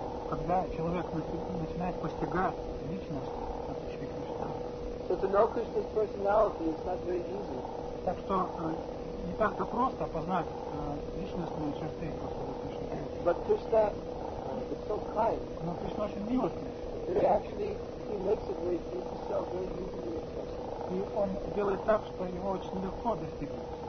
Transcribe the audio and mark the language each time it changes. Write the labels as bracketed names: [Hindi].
[Russian] Когда человек начинает постигать личность Кришны. [English] So to know Krishna's personality is not very easy. [Russian] Так что не так-то просто познать личностные черты Господа Кришны. [English] But Krishna is so kind. [Russian] Но Кришна очень милостный. [English] He makes it very easy, so very easy. [Russian] И он делает так, что его очень легко достигнуть.